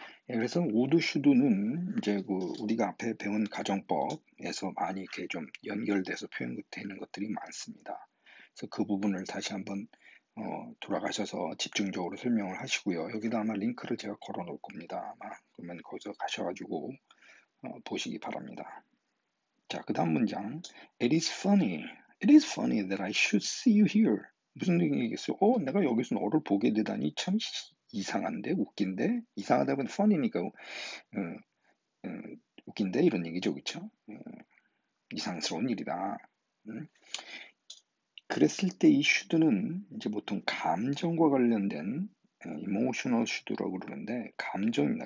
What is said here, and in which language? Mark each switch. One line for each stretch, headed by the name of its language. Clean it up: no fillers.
Korean: 예, 그래서 would, should는 이제 그 우리가 앞에 배운 가정법에서 많이 이렇게 좀 연결돼서 표현되는 것들이 많습니다. 그래서 그 부분을 다시 한번 돌아가셔서 집중적으로 설명을 하시고요. 여기다 아마 링크를 제가 걸어 놓을 겁니다. 아마 그러면 거기서 가셔가지고 보시기 바랍니다. 자, 그 다음 문장.
English: It is funny. It is funny that I should see you here.
Korean: 무슨 얘기겠어요? 내가 여기서 너를 보게 되다니 참 이상한데? 웃긴데? 이상하다면 funny니까 웃긴데? 이런 얘기죠. 그쵸? 이상스러운 일이다. 그랬을 때이 슈드는 이제 보통 감정과 관련된 emotional 슈드라고 그러는데 감정입니다.